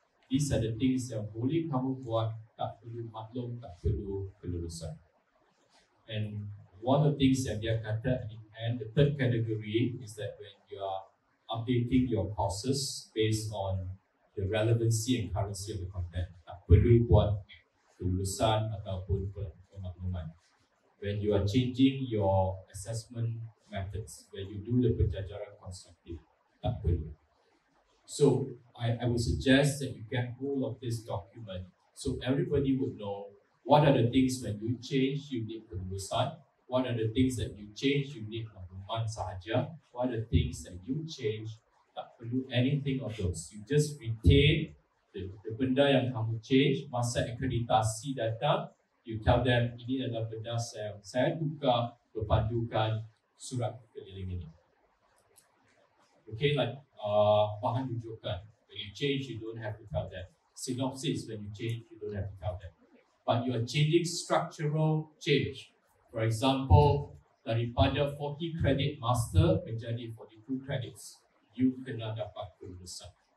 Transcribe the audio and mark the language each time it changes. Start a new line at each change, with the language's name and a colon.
English: These are the things
Malay: yang boleh kamu buat, tak perlu maklum, tak perlu kelulusan.
English: And one of the things
Malay: yang dia kata,
English: and the third category is that when you are updating your courses based on the relevancy and currency of the content.
Malay: perlu buat tulisan ataupun pemakluman.
English: When you are changing your assessment methods, when you do the penjajaran konstruktif,
Malay: tak perlu.
English: So I would suggest that you get hold of this document so everybody would know what are the things when you change you need penulisan, what are the things that you change you need
Malay: makluman sahaja,
English: what are the things that you change
Malay: tak perlu
English: anything of those. You just retain the
Malay: benda yang kamu
English: change.
Malay: Masa akreditasi datang,
English: you tell them
Malay: ini adalah benda saya buka berpandukan surat keliling ini.
English: Okay, like bahan rujukan. When you change, you don't have to tell them. Synopsis, when you change, you don't have to tell them. But you are changing structural change. For example,
Malay: daripada 40 credit master menjadi 42 credits,
English: you
Malay: kena dapat penulisan.